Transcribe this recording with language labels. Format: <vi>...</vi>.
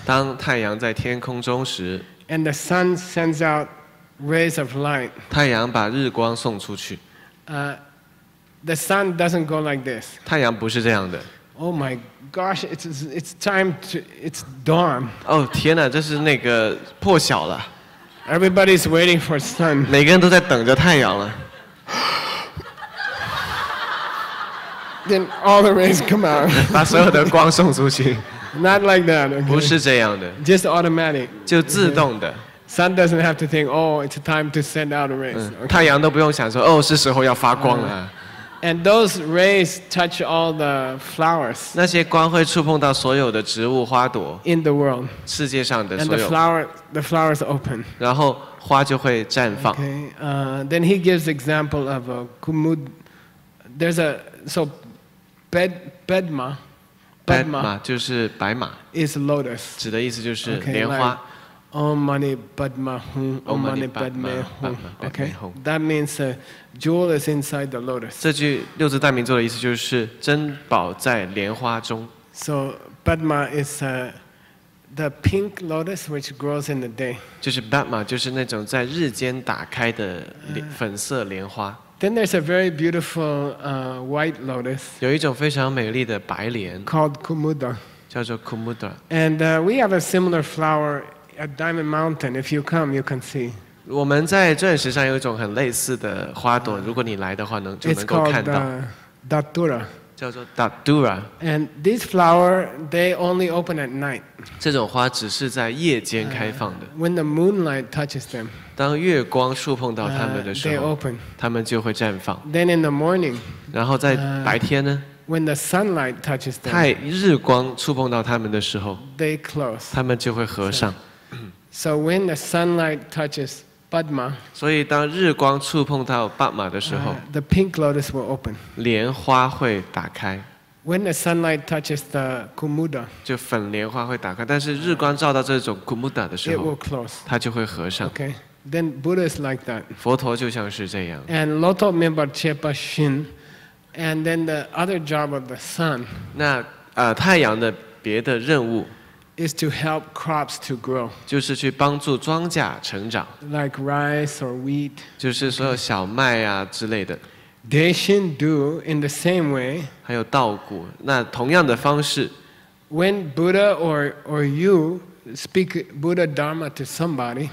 <zh>当太阳在天空中时，</zh> <en>and the sun sends out rays of light,</en> <zh>太阳把日光送出去。</zh> <en>The sun doesn't go like this.</en> <zh>太阳不是这样的。</zh> <en>Oh my gosh, it's time to it's dawn.</en> <zh>哦天哪，这是那个破晓了。</zh> <en>Everybody's waiting for sun.</en> <zh>每个人都在等着太阳了。</zh> <en>Then all the rays come out.</en> <zh>把所有的光送出去。</zh> <en>Not like that. Okay?</en> <zh>不是这样的。</zh> <en>Just automatic.</en> <zh>就自动的。</zh> <en>Sun doesn't have to think. Oh, it's time to send out rays.</en> <zh>太阳都不用想说，哦，是时候要发光了。</zh> <en>And those rays touch all the flowers.</en> <zh>那些光会触碰到所有的植物花朵。</zh> <en>In the world.</en> <zh>世界上的所有。</zh> <en>And the flowers open.</en> <zh>然后花就会绽放。</zh> <en>Okay. Then he gives example of a kumud. There's a so bedma.</en> <zh>Bedma 就是白马。</zh> <en>Is lotus.</en> <zh>指的意思就是莲花。</zh> <sa>Om mani padme hum. Om mani padme hum.</sa> <en>Okay. That means jewel is inside the lotus.</en> <zh>这句六字大明咒的意思就是珍宝在莲花中。</zh> <en>So padma is the pink lotus which grows in the day.</en> <zh>就是 padma 就是那种在日间打开的粉色莲花。</zh> <en>Then there's a very beautiful white lotus.</en> <zh>有一种非常美丽的白莲。</zh> <en>Called kumuda.</en> <zh>叫做 kumuda.</zh> <en>And we have a similar flower. At Diamond Mountain, if you come, you can see.</en> <zh>我们在钻石上有一种很类似的花朵，如果你来的话，能够看到。</zh> <en>It's called datura.</en> <zh>叫做 datura.</zh> <en>And this flower, they only open at night.</en> <zh>这种花只是在夜间开放的。</zh> <en>When the moonlight touches them.</en> <zh>当月光触碰到它们的时候，</zh> <en>they open.</en> <zh>它们就会绽放。</zh> <en>Then in the morning.</en> <zh>然后在白天呢？</zh> <en>When the sunlight touches them.</en> <zh>太日光触碰到它们的时候，</zh> <en>they close.</en> <zh>它们就会合上。</zh> <en>So when the sunlight touches Padma,</en> <zh>所以当日光触碰到 Padma 的时候，</zh> <en>the pink lotus will open.</en> <zh>莲花会打开。</zh> <en>When the sunlight touches the Kumuda,</en> <zh>就粉莲花会打开，但是日光照到这种 Kumuda 的时候，</zh> <en>it will close.</en> <zh>它就会合上。</zh> <en>Okay, then Buddha is like that.</en> <zh>佛陀就像是这样。</zh> <en>And</en> <bo>loto member chepa shin,</bo> <en>and then the other job of the sun.</en> <zh>那太阳的别的任务。</zh> <en>Is to help crops to grow.</en> <zh>就是去帮助庄稼成长。</zh> <en>Like rice or wheat.</en> <zh>就是所有小麦啊之类的。</zh> <en>They should do in the same way.</en> <zh>还有稻谷，那同样的方式。</zh> <en>When Buddha or you speak Buddha Dharma to somebody.</en>